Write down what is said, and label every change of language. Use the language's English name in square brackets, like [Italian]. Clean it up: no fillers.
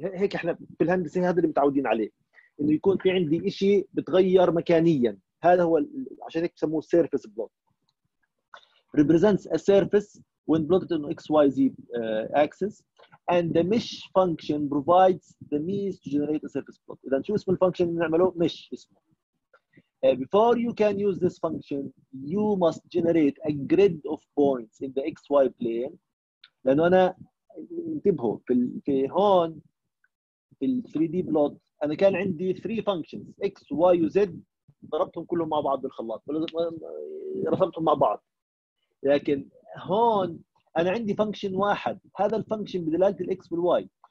[Arabic] هيك احنا في الهندسه هذا اللي متعودين عليه، انه يكون في عندي شيء بتغير مكانيا، هذا هو عشان هيك بسموه سيرفيس بلوت. [English] Represents a surface when plotted on X Y Z axes, and the mesh function provides the means to generate a surface plot. [Arabic] اذا شو اسم الفانكشن اللي نعمله؟ مش اسمه. [English] Before you can use this function, you must generate a grid of points in the XY plane. [Arabic] لانه انا انتبهوا في هون في ال 3D plot انا كان عندي 3 functions x, y, z، ضربتهم كلهم مع بعض بالخلاط، رسمتهم مع بعض. لكن هون انا عندي function واحد، هذا ال function بدلالة ال x وال y.